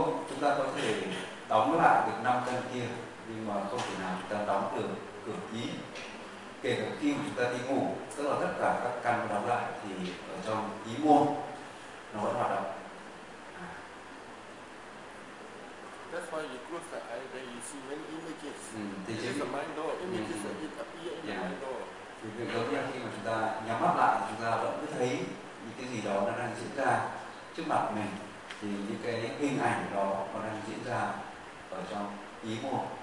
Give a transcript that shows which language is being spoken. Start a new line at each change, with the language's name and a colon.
Vietnamese: chúng ta có thể đóng lại được năm căn kia, nhưng mà không thể nào chúng ta đóng được cửa ý. Kể cả khi chúng ta đi ngủ, tức là tất cả các căn đóng lại thì ở trong ý môn nó vẫn hoạt động.
English: That's why you close the eye when you see many images.
Vietnamese: Thì chính là
English: mind door. Images are in appear in mind door.
Vietnamese: Thì việc đầu tiên khi mà chúng ta nhắm mắt lại, chúng ta vẫn cứ thấy những cái gì đó nó đang diễn ra trước mặt mình. Thì những cái hình ảnh đó nó đang diễn ra ở trong ý môn.